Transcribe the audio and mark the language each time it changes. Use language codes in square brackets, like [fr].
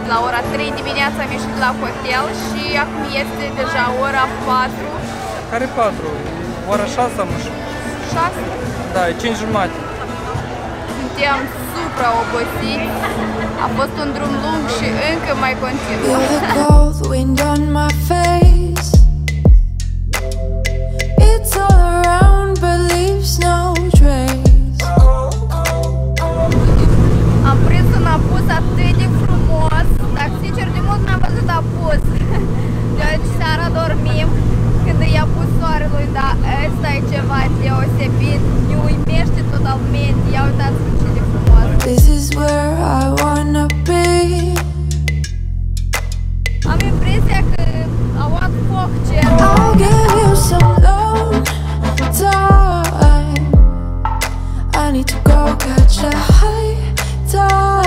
[ro] La ora 3 dimineața am ieșit la hotel și acum este deja ora 4. Care 4? Ora 6 am ieșit. 6? Da, e 5 jumate. Suntem supra obosiți. A fost un drum lung și încă mai continuă. [en] The cold wind on my face. It's all around but leaves no trace. [ro] Am prins un apus atât de frumos. Dar sincer, de mult n-am văzut apus. Deoarece seara dormim când îi apus soarelui. Dar ăsta e ceva deosebit. Ne uimește totalmente. Ia uitați cum ce de frumos. [en] This is where I wanna be. [ro] Am impresia că a luat foc ce. [en] I'll give you some love time. I need to go catch a high time.